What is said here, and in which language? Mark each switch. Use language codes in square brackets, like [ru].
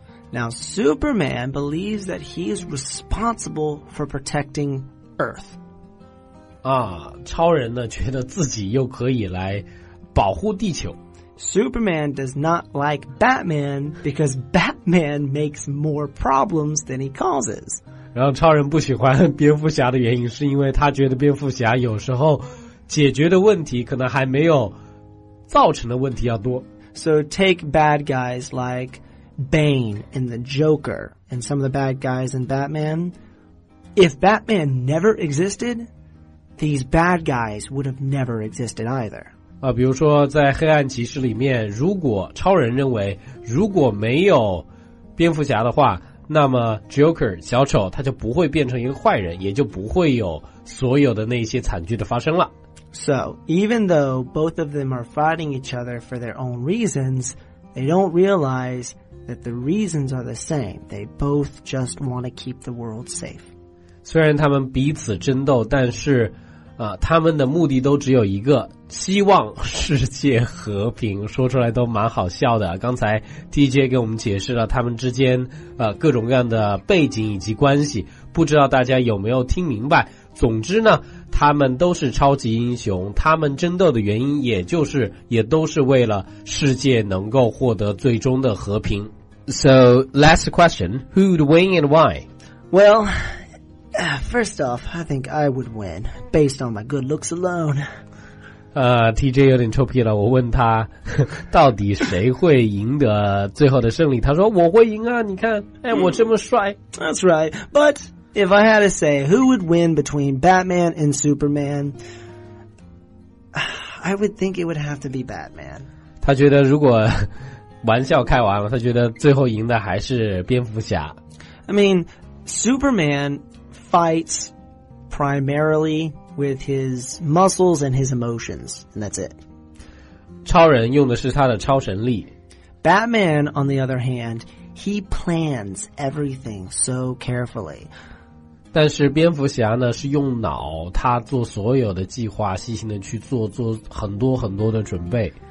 [en] Now Superman believes that he is responsible for protecting Earth. [zh] 超人呢觉得自己又可以来保护地球。 [en] Superman does not like Batman because Batman makes more problems than he causes. [zh] 然后超人不喜欢蝙蝠侠的原因是因为他觉得蝙蝠侠有时候解决的问题可能还没有造成的问题要多。 [en] So take bad guys like Bane and the Joker and some of the bad guys in Batman. If Batman never existed, these bad guys would have never existed either. [zh] 比如说在黑暗骑士里面，如果超人认为如果没有蝙蝠侠的话，那么 Joker 小丑他就不会变成一个坏人，也就不会有所有的那些惨剧的发生了。 [en] So even though both of them are fighting each other for their own reasons, they don't realize that the reasons are the same. They both just want to keep the world safe. [zh] 虽然他们彼此争斗，但是他们的目的都只有一个，希望世界和平，说出来都蛮好笑的。刚才 DJ 给我们解释了他们之间各种各样的背景以及关系，不知道大家有没有听明白。总之呢，他们都是超级英雄，他们争斗的原因也都是为了世界能够获得最终的和平。 [en] So last question, who would win and why? WellFirst off, I think I would win, based on my good looks alone. [zh] TJ 有点臭屁了，我问他，到底谁会赢得最后的胜利？他说，我会赢啊，你看，哎，我这么帅。 [en] That's right, but if I had to say who would win between Batman and Superman, I would think it would have to be Batman. [zh] 他觉得如果玩笑开完了，他觉得最后赢的还是蝙蝠侠。 [en] I mean, Superman... fights primarily with his muscles and his emotions, and that's it. [zh] 超人用的是他的超神力。 [en] Batman, on the other hand, he plans everything so carefully. [zh] 但是蝙蝠侠呢，是用脑，他做所有的计划，细心的去做，做很多很多的准备。